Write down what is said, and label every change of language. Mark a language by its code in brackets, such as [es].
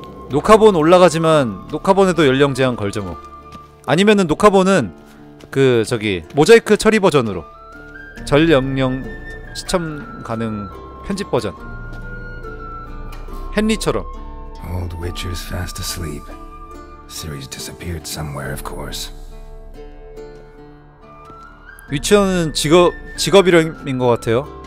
[ko] 녹화본 올라가지만 녹화본에도 연령 제한 걸죠 뭐. 아니면은 녹화본은 그 저기 모자이크 처리 버전으로 전연령 시청 가능 편집 버전. 헨리처럼. [en] Old witcher's fast asleep. Ciri's disappeared somewhere, of course. [ko] 위쳐는 직업 이름인 것 같아요.